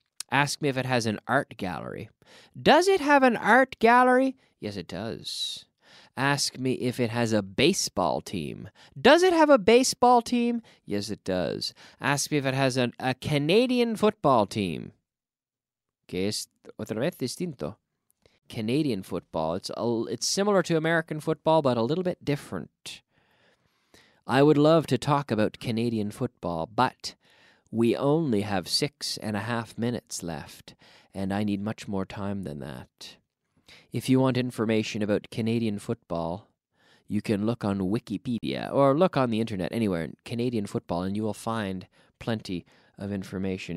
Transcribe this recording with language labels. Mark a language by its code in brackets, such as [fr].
[en] Ask me if it has an art gallery. Does it have an art gallery? Yes, it does. Ask me if it has a baseball team. Does it have a baseball team? Yes, it does. Ask me if it has a Canadian football team. [es] Que es otra vez distinto. [en] Canadian football. It's similar to American football, but a little bit different. I would love to talk about Canadian football, but we only have 6.5 minutes left, and I need much more time than that. If you want information about Canadian football, you can look on Wikipedia or look on the internet anywhere in Canadian football, and you will find plenty of information.